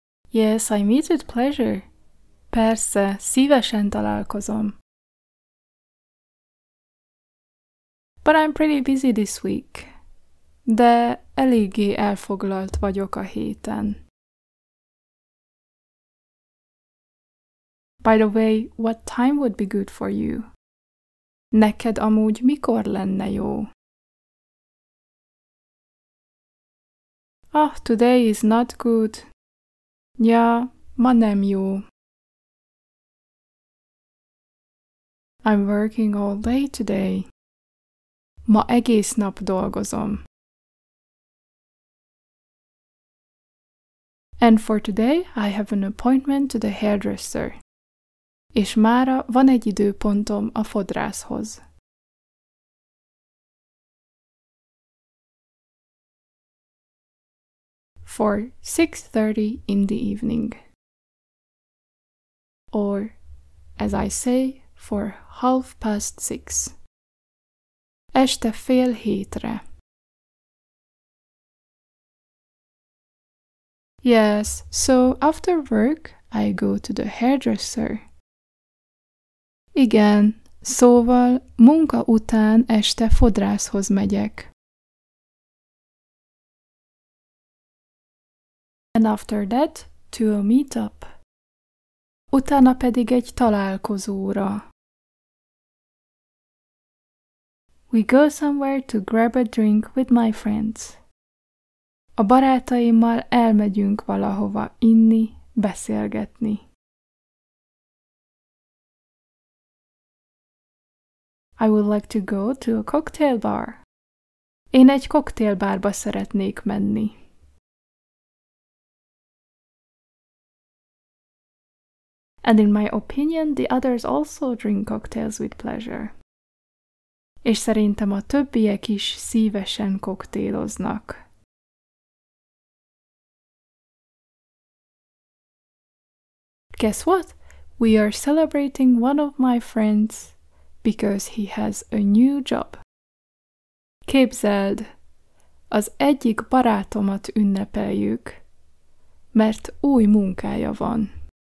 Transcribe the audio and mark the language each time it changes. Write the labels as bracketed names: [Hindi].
[English] Yes, I meet with pleasure. [Hungarian] Persze, szívesen találkozom. [English] But I'm pretty busy this week. [Hungarian] De eléggé elfoglalt vagyok a héten. [English] By the way, what time would be good for you? [Hungarian] Neked amúgy mikor lenne jó? [English] Ah, today is not good. [Hungarian] Ja, ma nem jó. [English] I'm working all day today. [Hungarian] Ma egész nap dolgozom. [English] And for today, I have an appointment to the hairdresser. [Hungarian] És mára van egy időpontom a fodrászhoz. [English] For 6:30 in the evening. Or, as I say, for 6:30. [Hungarian] Este fél hétre. [English] Yes, so after work I go to the hairdresser. [Hungarian] Igen, szóval munka után este fodrászhoz megyek. [English] And after that, to a meetup. [Hungarian] Utána pedig egy találkozóra. [English] We go somewhere to grab a drink with my friends. [Hungarian] A barátaimmal elmegyünk valahova inni, beszélgetni. [English] I would like to go to a cocktail bar. [Hungarian] Én egy koktélbárba szeretnék menni. [English] And in my opinion, the others also drink cocktails with pleasure. [Hungarian] És szerintem a többiek is szívesen koktéloznak. [English] Guess what? We are celebrating one of my friends. Because he has a new job. [Hungarian] Képzeld, az egyik barátomat ünnepeljük, mert új munkája van.